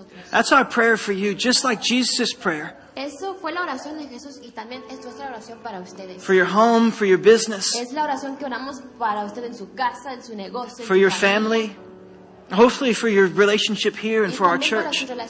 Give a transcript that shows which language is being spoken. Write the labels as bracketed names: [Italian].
[English] That's our prayer for you, just like Jesus' prayer. [Spanish] Eso fue la oración de Jesús y también es nuestra oración para ustedes. [English] For your home, for your business. [Spanish] Es la oración que oramos para usted en su casa, en su negocio. [English] For your family. Hopefully for your relationship here and for our church.